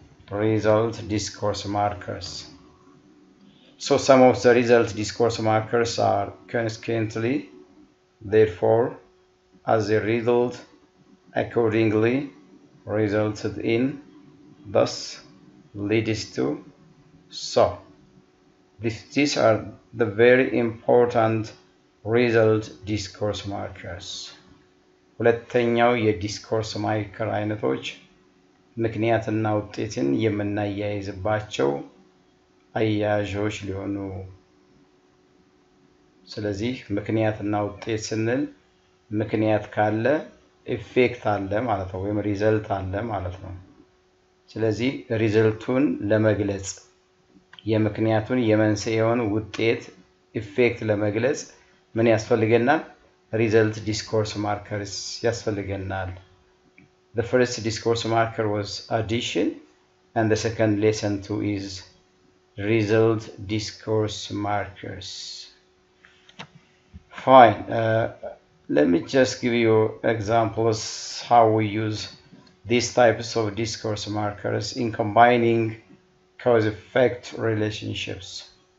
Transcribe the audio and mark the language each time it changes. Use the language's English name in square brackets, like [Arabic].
[English] Result discourse markers. So some of the result discourse markers are consequently, therefore, as a result, accordingly, resulted in, thus, leads to, so. These are the very important result discourse markers. [Amharic] ሁለተኛው የዲስኮርስ ማርከር አይነቶች ምክንያትና ውጤትን የምናያይዝባቸው አያያዦች ሊሆኑ ስለዚህ ምክንያትና ውጤት ስንል ምክንያት ካለ ኢፌክት አለ ማለት ነው ወይም ሪዛልት አለ ማለት ነው ስለዚህ ሪዛልቱን ለመግለጽ የምክንያቱን የመንስኤውን ውጤት ኢፌክት ለመግለጽ ምን ያስፈልገናል [English] Result discourse markers. Yes, the first discourse marker was addition, and the second lesson two is result discourse markers. Fine. Let me just give you examples how we use these types of discourse markers in combining cause-effect relationships.